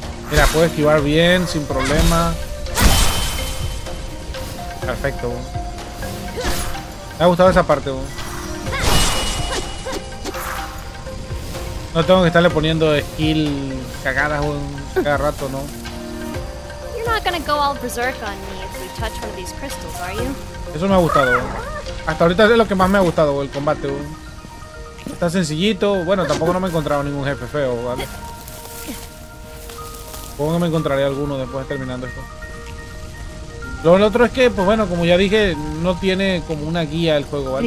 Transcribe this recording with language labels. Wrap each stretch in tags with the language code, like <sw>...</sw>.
<es>Mira, puedo esquivar bien, sin problema. Perfecto, bo. Me ha gustado esa parte, bo. No tengo que estarle poniendo skill cagadas un cada rato, ¿no?</es> <en>You're not gonna go all berserk on me if we touch one of these crystals, are you?</en> <es>Eso me ha gustado. Hasta ahorita es lo que más me ha gustado, el combate. Está sencillito. Bueno, tampoco no me he encontrado ningún jefe feo, ¿vale? Supongo que me encontraré alguno después de terminando esto. Lo otro es que, pues bueno, como ya dije, no tiene como una guía el juego, ¿vale?</es>